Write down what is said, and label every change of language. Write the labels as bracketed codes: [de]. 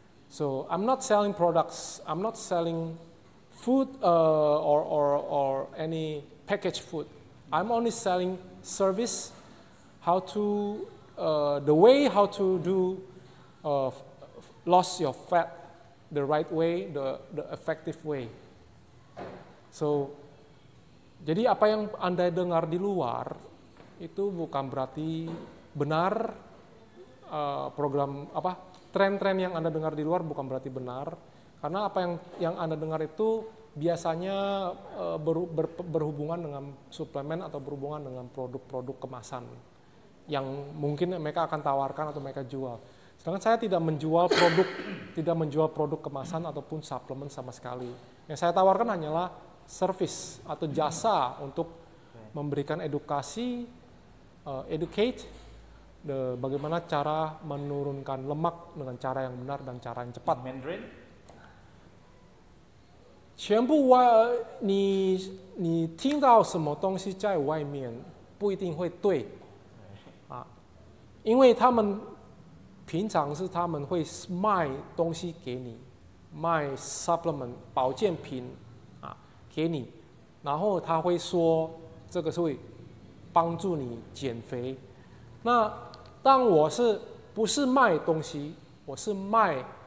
[en] So I'm not selling products. I'm not selling food or any packaged food. I'm only selling service. How to the way how to do. Lost your fat the right way, the effective way. [id] So, jadi apa yang Anda dengar di luar itu bukan berarti benar program apa tren-tren yang Anda dengar di luar bukan berarti benar karena apa yang Anda dengar itu biasanya berhubungan dengan suplemen atau berhubungan dengan produk-produk kemasan yang mungkin mereka akan tawarkan atau mereka jual. Sedangkan saya tidak menjual produk kemasan ataupun suplemen sama sekali. Yang saya tawarkan hanyalah service atau jasa untuk memberikan edukasi, [en] educate the [id] bagaimana cara menurunkan lemak dengan cara yang benar dan cara yang cepat. Mandarin. [zh] 全部你 听到什么东西在外面不一定会对，啊，因为他们平常是他们会卖东西给你，卖 supplement 保健品啊，给你，然后他会说这个是会帮助你减肥。那当我是不是卖东西，我是卖